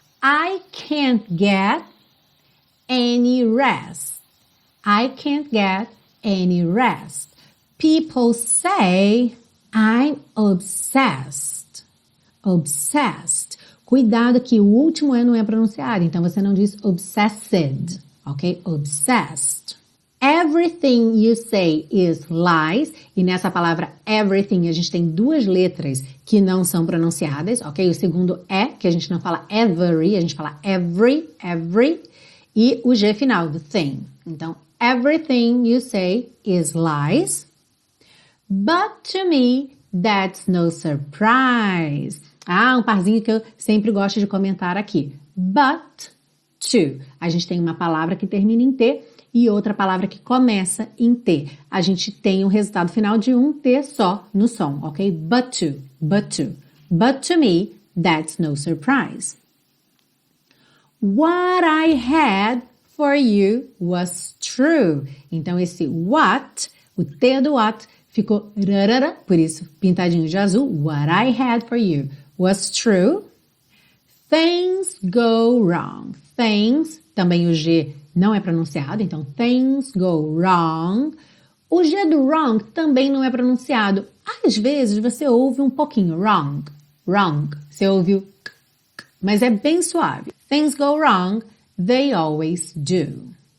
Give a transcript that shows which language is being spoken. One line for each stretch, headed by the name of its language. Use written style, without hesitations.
English: I can't get any rest. I can't get any rest. People say I'm obsessed. Obsessed.
Portuguese: Cuidado que o último E não é pronunciado, então você não diz obsessed, ok?
English: Obsessed. Everything you say is lies.
Portuguese: E nessa palavra everything, a gente tem duas letras que não são pronunciadas, ok? O segundo E, que a gente não fala every, a gente fala every, every. E o G final,
English: the thing. Então, everything you say is lies. But to me, that's no surprise.
Portuguese: Ah, um parzinho que eu sempre gosto de comentar aqui.
English: But to.
Portuguese: A gente tem uma palavra que termina em T e outra palavra que começa em T. A gente tem o resultado final de um T só no som, ok?
English: But to, but to. But to me, that's no surprise. What I had for you was true.
Portuguese: Então, esse what, o T do what, ficou rarara, por isso pintadinho de azul.
English: What I had for you was true. Things go wrong.
Portuguese: Things, também o G não é pronunciado, então
English: things go wrong.
Portuguese: O G do wrong também não é pronunciado. Às vezes você ouve um pouquinho wrong, wrong. Você ouve o k, k, mas é bem suave.
English: Things go wrong, they always do.